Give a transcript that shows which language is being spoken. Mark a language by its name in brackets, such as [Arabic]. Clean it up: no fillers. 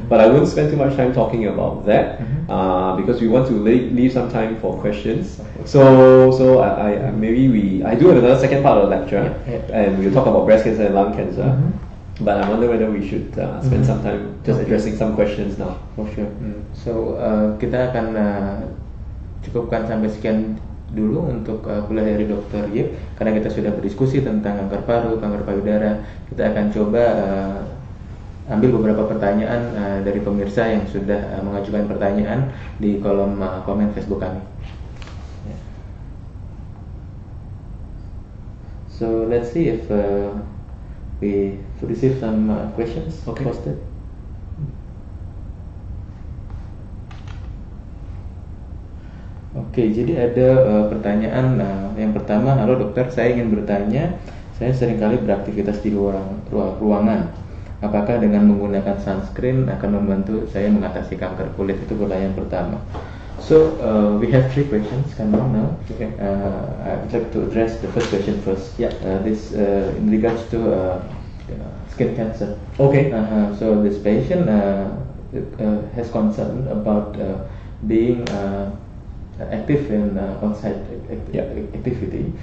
[English] But I won't spend too much time talking about that because we want to leave some time for questions. So I do have another second part of the lecture, and we'll talk about breast cancer and lung cancer. But I wonder whether we should spend some time just addressing some questions now. For sure. [Indonesian] So, kita akan cukupkan sampai sekian dulu untuk kuliah dari Dr. Yip, karena kita sudah berdiskusi tentang kanker paru, kanker payudara. Kita akan coba ambil beberapa pertanyaan dari pemirsa yang sudah mengajukan pertanyaan di kolom komen Facebook kami. [English] So let's see if we received some questions posted. [Indonesian] Okay, jadi ada pertanyaan yang pertama, halo dokter, saya ingin bertanya, saya seringkali beraktivitas di luar ruangan. Apakah dengan menggunakan sunscreen akan membantu saya mengatasi kanker kulit? Itu pertanyaan pertama. [English] So we have three questions coming kind of now. Okay. I would like to address the first question first. Yeah. This in regards to skin cancer. Okay. So this patient has concern about being active in outside activity.